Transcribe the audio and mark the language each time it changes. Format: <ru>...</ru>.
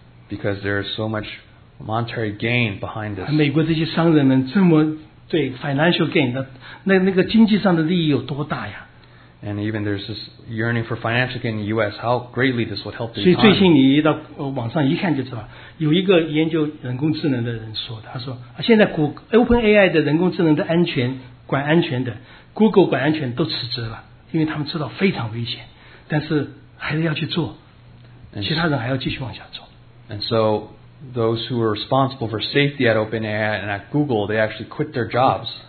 <en>Because there is so much monetary gain behind this.</en> <zh>美国这些商人们这么对,</zh> <en>financial gain,</en> <zh>那个经济上的利益有多大呀?</zh> <en>And even there's this yearning for financial gain in the U.S., how greatly this would help the</en> <zh>所以最近你一到网上一看就知道，有一个研究人工智能的人说，他说，现在OpenAI的人工智能的安全，管安全的，Google管安全都辞职了，因为他们知道非常危险，但是还是要去做，其他人还要继续往下做。And</zh> <en>so those who are responsible for safety at OpenAI and at Google, they actually quit their jobs.</en>